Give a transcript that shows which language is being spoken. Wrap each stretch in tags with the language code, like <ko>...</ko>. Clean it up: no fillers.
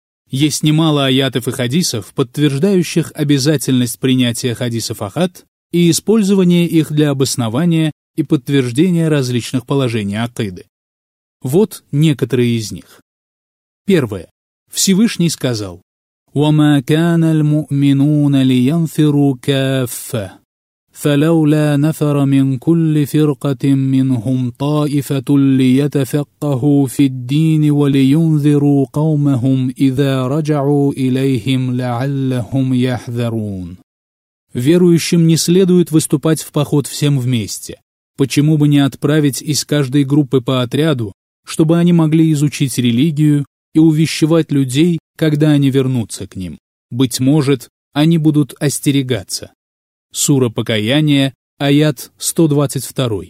<ru>Есть немало аятов и хадисов, подтверждающих обязательность принятия хадисов ахад и использования их для обоснования и подтверждения различных положений акиды. Вот некоторые из них. Первое. Всевышний сказал:</ru> <ar>«Вама кана аль-муминуна лиянфиру кафа». فلولا نفر من كل فرقة منهم طائفة ليتفقهوا في الدين ولينذروا قومهم إذا رجعوا إليهم لعلهم يحذرون.</ar> <ru>Верующим не следует выступать в поход всем вместе. Почему бы не отправить из каждой группы по отряду, чтобы они могли изучить религию и увещевать людей, когда они вернутся к ним? Быть может, они будут остерегаться. Сура Покаяния, аят 122.</ru>